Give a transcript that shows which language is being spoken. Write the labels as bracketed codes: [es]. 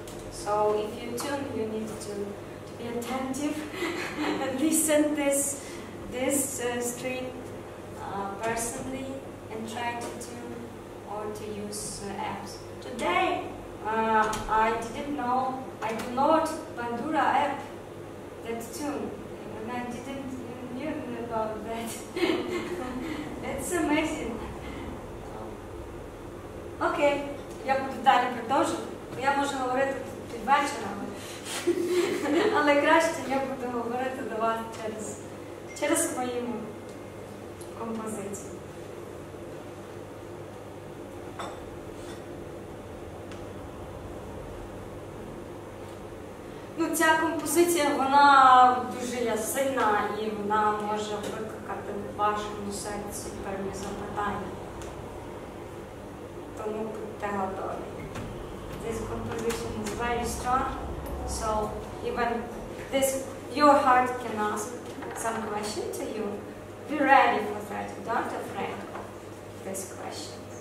[en] So if you tune, you need to be attentive and listen this string personally and try to tune or to use apps. Today, I didn't know, I do not bandura app that tune, and I didn't even know about that. It's amazing. [uk] Окей, я буду далі продовжувати. Я можу говорити під вечором, але краще я буду говорити до вас через мою композицію. Ну, ця композиція, вона дуже ясна, і вона може викликати в вашому серці певні запитання. Тому будьте готові. [en] This composition is very strong, so even this, your heart can ask some question to you. Be ready for that, don't afraid of this question.